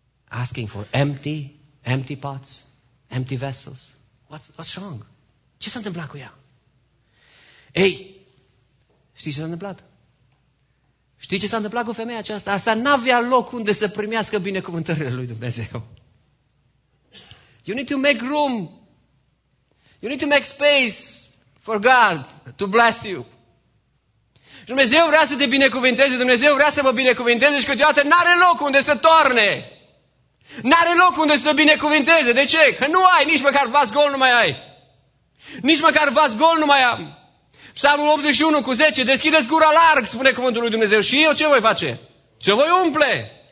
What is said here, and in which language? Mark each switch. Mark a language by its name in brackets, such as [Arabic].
[English] Asking for empty pots, empty vessels. What's wrong? [Romanian] Ce s-a întâmplat cu ea? Ei, știi ce s-a întâmplat? Știi ce s-a întâmplat cu femeia aceasta? Asta n-avea loc unde să primească binecuvântările lui Dumnezeu. [English] You need to make room. You need to make space for God to bless you. [Romanian] Dumnezeu vrea să te binecuvinteze, Dumnezeu vrea să mă binecuvinteze și câteodată n-are loc unde să toarne. N-are loc unde să te binecuvinteze. De ce? Că nu ai, nici măcar vas gol nu mai ai. Nici măcar vas gol nu mai am. Psalmul 81 cu 10, deschideți gura larg, spune cuvântul lui Dumnezeu, și eu ce voi face? Ce voi umple?